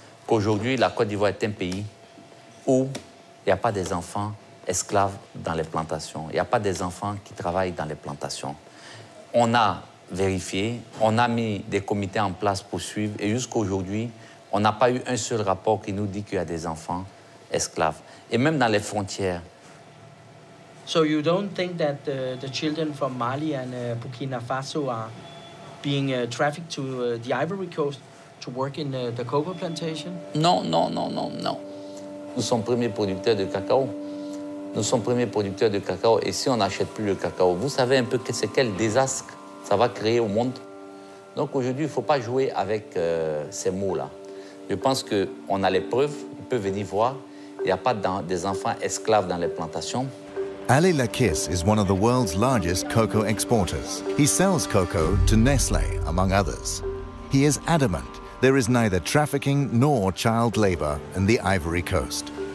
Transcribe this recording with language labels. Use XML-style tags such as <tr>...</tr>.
<fr>Qu'aujourd'hui, la Côte d'Ivoire est un pays où il n'y a pas des enfants esclaves dans les plantations. Il n'y a pas des enfants qui travaillent dans les plantations. On a vérifié, on a mis des comités en place pour suivre. Et jusqu'à aujourd'hui, on n'a pas eu un seul rapport qui nous dit qu'il y a des enfants esclaves. Et même dans les frontières.</fr> <en>So you don't think that the children from Mali and Burkina Faso are being trafficked to the Ivory Coast to work in the cocoa plantation?</en> <fr>Non, non, non, non, non. Nous sommes premiers producteurs de cacao. Nous sommes premiers producteurs de cacao. Et si on n'achète plus le cacao, vous savez un peu que c'est quel désastre ça va créer au monde. Donc aujourd'hui, il ne faut pas jouer avec ces mots-là. Je pense qu'on a les preuves. On peut venir voir. Il n'y a pas des enfants esclaves dans les plantations.</fr> <en>Ali Lakis is one of the world's largest cocoa exporters. He sells cocoa to Nestlé, among others. He is adamant there is neither trafficking nor child labor in the Ivory Coast.</en>